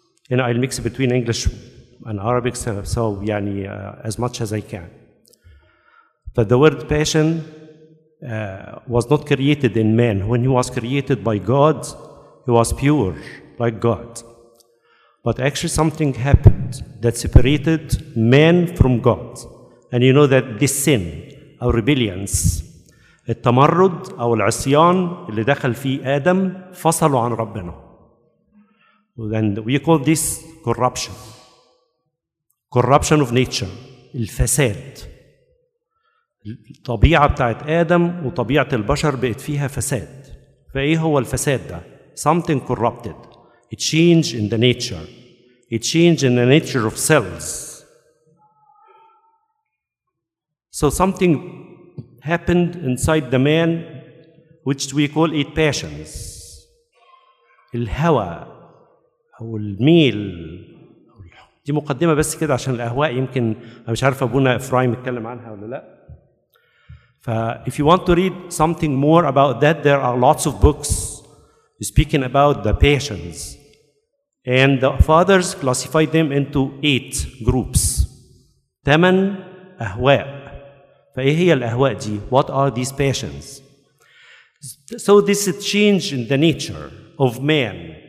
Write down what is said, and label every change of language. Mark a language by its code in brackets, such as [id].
[en] And I'll mix between English and Arabic as much as I can. But the word passion was not created in man. When he was created by God, he was pure like God. But actually something happened that separated man from God. And you know that this sin, our rebellions, [ar] التمرد أو العصيان اللي دخل فيه آدم فصلوا عن ربنا. [en] Then we call this corruption. Corruption of nature. الفساد. [ar] الطبيعة بتاعت آدم وطبيعة البشر بقت فيها فساد. فإيه هو الفساد ده؟ [en] Something corrupted. It changed in the nature. It changed in the nature of cells. So something happened inside the man, which we call it passions. [ar] الهوى أو الميل، دي مقدمة بس كده عشان الأهواء يمكن مش عارف أبونا إفرايم يتكلم عنها ولا لأ. [en] If you want to read something more about that, there are lots of books speaking about the passions. And the fathers classified them into 8 groups. [ar] 8 أهواء. فإيه هي الأهواء دي؟ [en] What are these passions? So this is change in the nature of man.